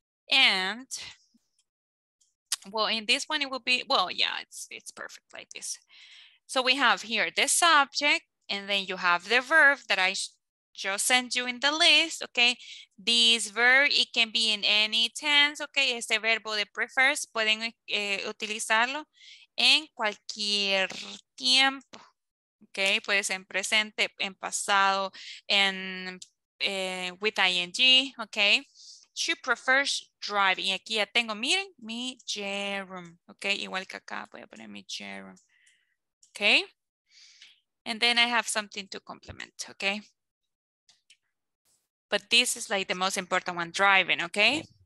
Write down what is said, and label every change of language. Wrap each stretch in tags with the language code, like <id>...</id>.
<en>And, well, in this one, it will be, well, yeah, it's perfect like this. So we have here the subject, and then you have the verb that I just sent you in the list, okay? This verb, it can be in any tense, okay?</en> <es>Este verbo de prefers, pueden utilizarlo en cualquier tiempo, okay? Puede ser en presente, en pasado, en with ing, okay?</es> <en>She prefers driving.</en> <es>Y aquí ya tengo, miren, mi gerund, okay? Igual que acá, voy a poner mi gerund.</es> <en>Okay, and then I have something to complement, okay? But this is like the most important one, driving, okay?</en>